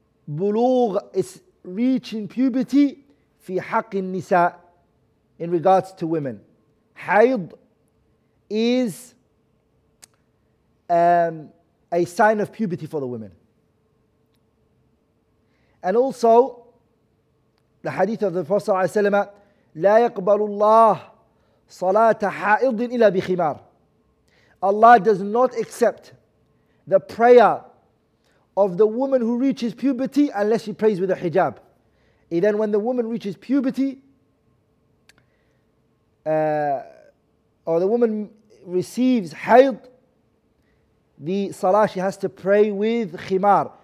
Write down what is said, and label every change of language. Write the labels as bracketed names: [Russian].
[English] Bulugh is reaching puberty [Arabic] fi haqqin nisa, [English] in regards to women. Hayd is a sign of puberty for the women. And also, the hadith of the Prophet ﷺ, [Arabic] لا يقبل الله صلاة حائض إلا بخمار. [English] Allah does not accept the prayer of the woman who reaches puberty unless she prays with a hijab. And then when the woman reaches puberty, or the woman receives hayd, the salah, she has to pray with khimar.